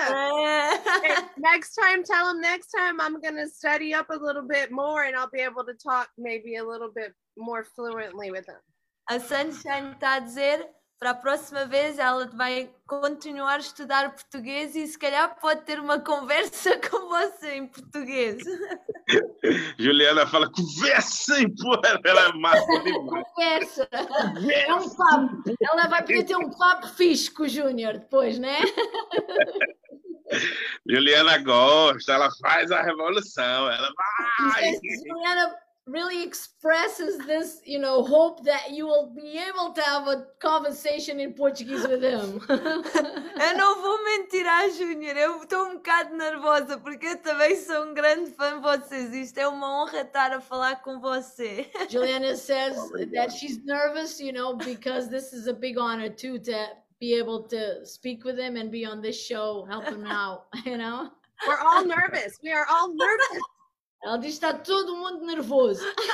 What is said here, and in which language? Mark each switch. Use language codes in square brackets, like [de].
[en] Okay, next time, I'm going to study up a little bit more and I'll be able to talk maybe a little bit more fluently with him. [pt] A Sunshine está a dizer, para a próxima vez ela vai continuar a estudar português e se calhar pode ter uma conversa com você em português. Juliana fala, conversa, porra, ela é massa demais. Conversa. É um papo. Ela vai poder ter um papo fixe com o Júnior depois, né? Juliana gosta, ela faz a revolução, ela vai. [en] Juliana really expresses this, you know, hope that you will be able to have a conversation in Portuguese with him. [pt] Eu não vou mentir à Júnior, eu estou um bocado nervosa, porque eu também sou um grande fã de vocês. Isto é uma honra estar a falar com você. [en] Juliana says that she's nervous, you know, because this is a big honor too, to be able to speak with him and be on this show, help him out, you know? We're all nervous. We are all nervous. [pt] Ela diz que está todo mundo nervoso.